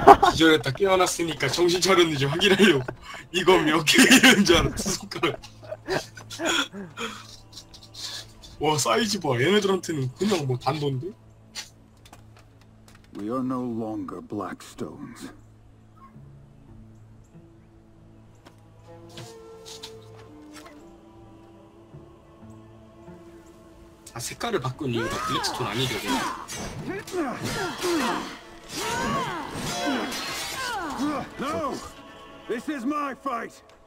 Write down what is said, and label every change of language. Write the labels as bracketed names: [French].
[Korean] 기절했다. 깨어났으니까 정신 차렸는지 확인하려고. 이거 몇 개의 시련인 줄 알았어, 손가락. 와, 사이즈 봐. 얘네들한테는 그냥 뭐 단돈데? [English] We are no longer Blackstones. [Korean] 아, 색깔을 바꾼 이유가 블랙스톤 아니죠? 그냥. [English] No, this is my fight.